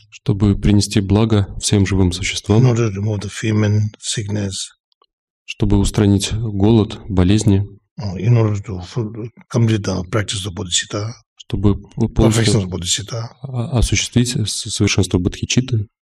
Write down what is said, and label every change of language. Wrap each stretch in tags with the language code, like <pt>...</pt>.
<ru>чтобы принести благо всем живым существам,</ru> <en>in order to remove the famine, sickness,</en> <ru>чтобы устранить голод, болезни,</ru> <en>in order to complete the practice of bodhicitta,</en> <ru>чтобы полностью осуществить совершенство бодхичитты,</ru>